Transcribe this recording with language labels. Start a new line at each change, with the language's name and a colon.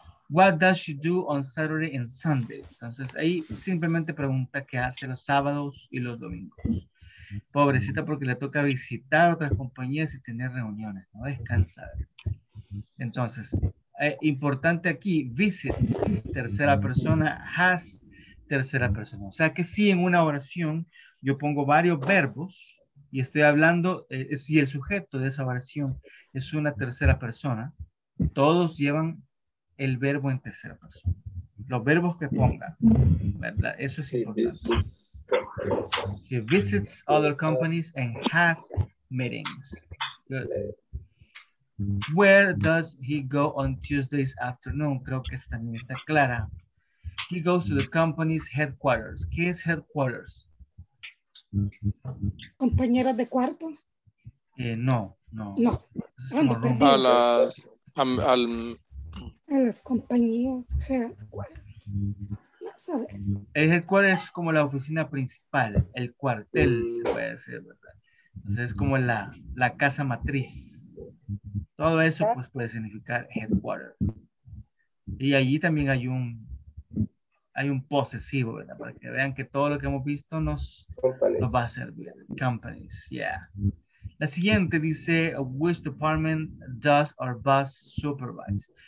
English: What does she do on Saturday and Sunday?
Spanish: Entonces, ahí simplemente pregunta qué hace los sábados y los domingos. Pobrecita, porque le toca visitar otras compañías y tener reuniones, ¿no? Descansar. Entonces, importante aquí, visits, tercera persona, has, tercera persona. O sea que si en una oración yo pongo varios verbos y estoy hablando, y el sujeto de esa oración es una tercera persona, todos llevan el verbo en tercera persona. Los verbos que ponga, ¿verdad? Eso es importante.
English: He visits other companies and has meetings. Good. Where does he go on Tuesday's afternoon?
Spanish: Creo que esta también está clara.
English: He goes to the company's headquarters.
Spanish: ¿Qué es headquarters? ¿Compañeras de cuarto? No. No. ¿A las, al... a las compañías headquarters? No sabe. El headquarters es como la oficina principal, el cuartel, se puede decir, ¿verdad? Entonces es como la casa matriz. Todo eso pues puede significar headquarters. Y allí también hay un posesivo, ¿verdad? Para que vean que todo lo que hemos visto nos va a servir.
English: Companies, yeah.
Spanish: La siguiente dice,
English: which department does our boss supervise?